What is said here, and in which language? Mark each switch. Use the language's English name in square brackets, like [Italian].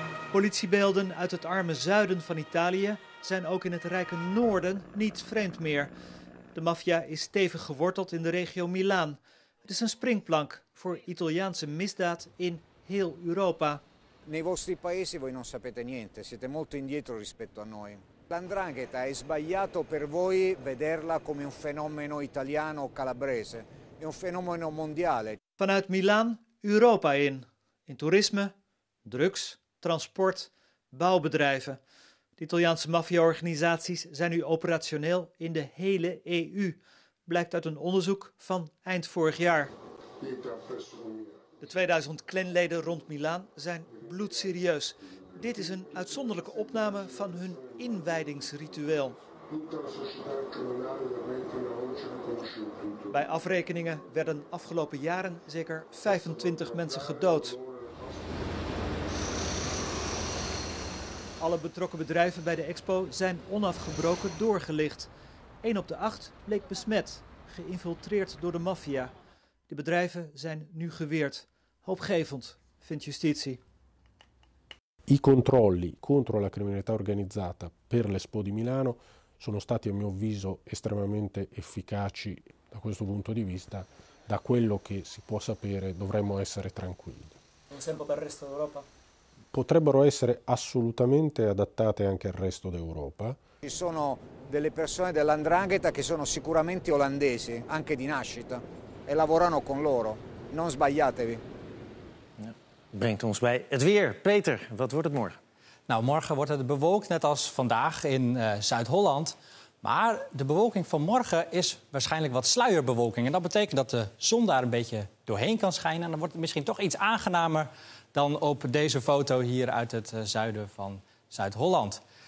[Dutch] Politiebeelden uit het arme zuiden van Italië zijn ook in het rijke noorden niet vreemd meer. De maffia is stevig geworteld in de regio Milaan. Het is een springplank voor Italiaanse misdaad in heel Europa. [Italian] Nei vostri paesi voi non sapete niente, siete molto indietro rispetto a noi. L'andrangheta è sbagliato per voi vederla come un fenomeno italiano o calabrese. È un fenomeno mondiale. [Dutch] Vanuit Milaan, Europa in. In toerisme, drugs, transport, bouwbedrijven. De Italiaanse maffia-organisaties zijn nu operationeel in de hele EU. Blijkt uit een onderzoek van eind vorig jaar. De 2000 clanleden rond Milaan zijn bloedserieus. Dit is een uitzonderlijke opname van hun inwijdingsritueel. Bij afrekeningen werden afgelopen jaren zeker 25 mensen gedood. Alle betrokken bedrijven bij de expo zijn onafgebroken doorgelicht. 1 op de 8 bleek besmet, geïnfiltreerd door de maffia. De bedrijven zijn nu geweerd. Hoopgevend, vindt justitie. [Italian] I controlli contro la criminalità organizzata per l'Expo di Milano sono stati a mio avviso estremamente efficaci da questo punto di vista. Da quello che si può sapere dovremmo essere tranquilli. Un esempio per il resto d'Europa? Potrebbero essere assolutamente adattate anche al resto d'Europa. Ci sono delle persone dell'Andrangheta che sono sicuramente olandesi, anche di nascita, e lavorano con loro. Non sbagliatevi. [Dutch] Brengt ons bij het weer. Peter, wat wordt het morgen? Nou, morgen wordt het bewolkt, net als vandaag in Zuid-Holland. Maar de bewolking van morgen is waarschijnlijk wat sluierbewolking. En dat betekent dat de zon daar een beetje doorheen kan schijnen. En dan wordt het misschien toch iets aangenamer dan op deze foto hier uit het zuiden van Zuid-Holland.